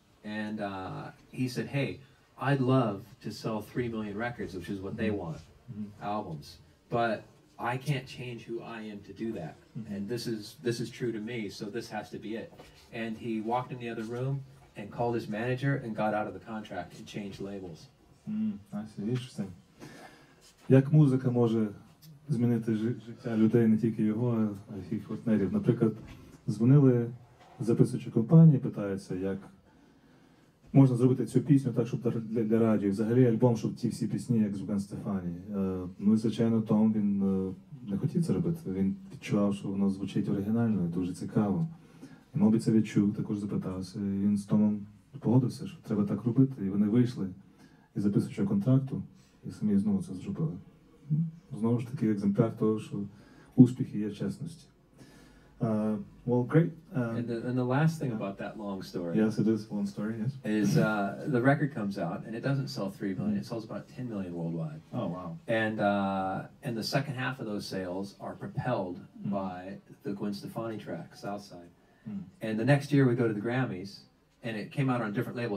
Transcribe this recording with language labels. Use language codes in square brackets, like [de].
[en] And he said, hey, I'd love to sell 3 million records, which is what they want, mm-hmm. albums. But I can't change who I am to do that. Mm-hmm. And this is true to me, so this has to be it. And he walked in the other room and called his manager and got out of the contract and changed labels. Mm, I see, interesting. [uk] Як музика може змінити життя людей, не тільки його, а їх партнерів? Наприклад, дзвонили записувачі компанії, питаються, як можна зробити цю пісню так, щоб для радіо, взагалі альбом, щоб ті всі пісні, як з Гвен Стефані. Ну і, звичайно, Том, він не хотів це робити. Він відчував, що воно звучить оригінально і дуже цікаво. І, мабуть, це відчув, також запитався. І він з Томом погодився, що треба так робити. І вони вийшли із записуючого контракту, і самі знову це зробили. Знову ж таки, екземпляр того, що успіхи є в чесності. [en] Well, great. And the last thing about that long story. Yes, it is one story. Yes. Is the record comes out and it doesn't sell 3 million. Mm-hmm. It sells about 10 million worldwide. Oh wow! And the second half of those sales are propelled mm-hmm. by the Gwen Stefani track Southside. Mm-hmm. And the next year we go to the Grammys, and it came out on a different label.